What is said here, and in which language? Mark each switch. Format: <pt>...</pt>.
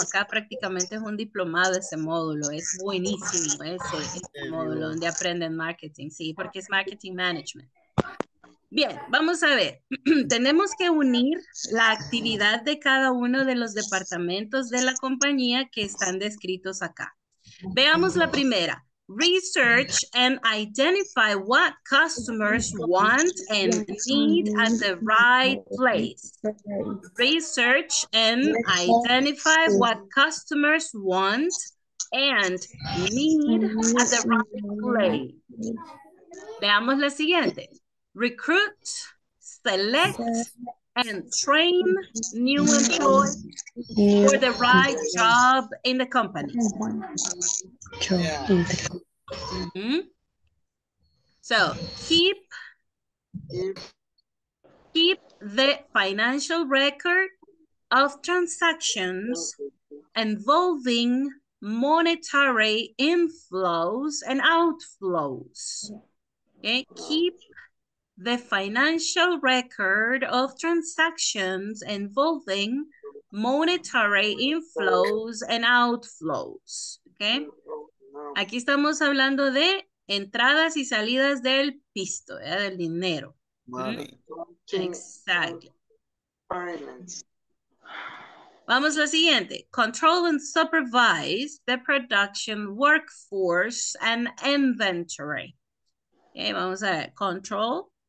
<es>Acá prácticamente es un diplomado ese módulo. Es buenísimo ese módulo donde aprenden marketing. Sí, porque es marketing management. Bien, vamos a ver. Tenemos que unir la actividad de cada uno de los departamentos de la compañía que están descritos acá. Veamos la primera.</es> <en>Research and identify what customers want and need at the right place. Research and identify what customers want and need at the right place.</en> <es>Veamos la siguiente.</es> <en>Recruit, select, and train new employees for the right job in the company. Yeah. Mm-hmm. So keep the financial record of transactions involving monetary inflows and outflows. Okay, keep the financial record of transactions involving monetary inflows and outflows. Okay.</en> <es>Aquí estamos hablando de entradas y salidas del pisto, ¿eh? Del dinero.</es> <en>Money.</en> <es>Exacto. Vamos a la siguiente.</es> <en>Control and supervise the production workforce and inventory. Okay,</en> <es>vamos a ver.</es> <en>Control</en>